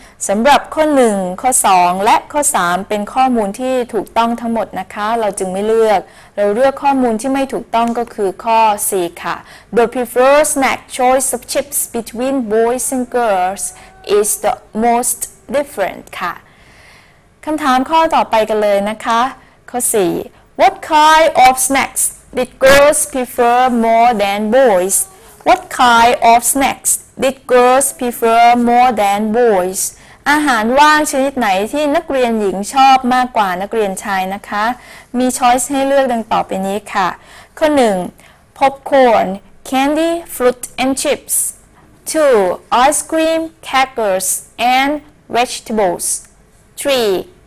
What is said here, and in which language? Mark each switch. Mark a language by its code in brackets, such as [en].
[th] สำหรับข้อ1ข้อ2และข้อ3เป็นข้อมูลที่ถูกต้องทั้งหมดนะคะเราจึงไม่เลือกเราเลือกข้อมูลที่ไม่ถูกต้องก็คือข้อ4ค่ะ [en] The preferred snack choice of chips between boys and girls is the most different [th] ค่ะคำถามข้อต่อไปกันเลยนะคะข้อ4 [en] What kind of snacks did girls prefer more than boys? What kind of snacksDid girls prefer more than boys? [th] อาหารว่างชนิดไหนที่นักเรียนหญิงชอบมากกว่านักเรียนชายนะคะมีช้อยส์ให้เลือกดังต่อไปนี้ค่ะข้อ 1. [en] Popcorn, candy, fruit and chips 2. Ice cream, crackers and vegetables 3.